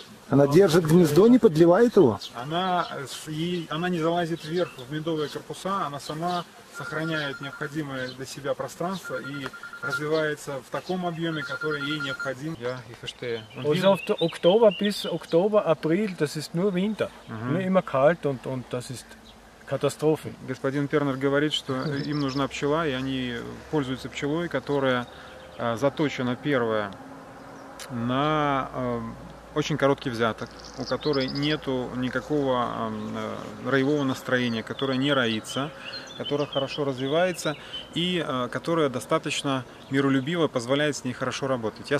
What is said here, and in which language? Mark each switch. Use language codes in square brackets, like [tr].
[ru] Она держит гнездо, не подливает его? Она не залазит вверх в медовые корпуса, она сама сохраняет необходимое для себя пространство и развивается в таком объеме, который ей необходим. Я их [de] verstehe. Also von Oktober bis Oktober, April, das ist nur Winter. Nur immer kalt und das ist Katastrophe. [ru] Господин Пернер говорит, что им нужна пчела, и они пользуются пчелой, которая заточена первая на очень короткий взяток, у которой нету никакого роевого настроения, которая не роится, которая хорошо развивается и которая достаточно миролюбива, позволяет с ней хорошо работать.